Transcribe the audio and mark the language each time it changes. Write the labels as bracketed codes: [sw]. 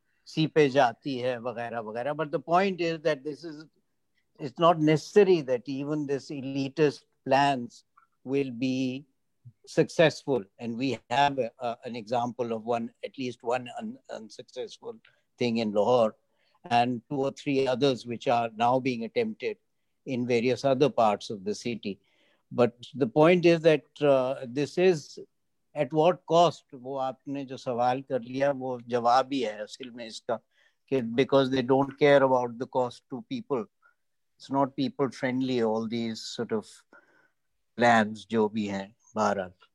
[hi] Seepage आती है वगैरह वगैरह, [en] But the point is that this is it's not necessary that even this elitist plans will be successful and we have an example of one at least one unsuccessful thing in Lahore and two और three others which are now being attempted in various other parts of the city. But the point is that this is at what cost? [hi] वो आपने जो सवाल कर लिया वो जवाब ही है असल में इसका कि [en] because they don't care about the cost to people. It's not people friendly. All these sort of plans [hi] जो भी हैं भारत.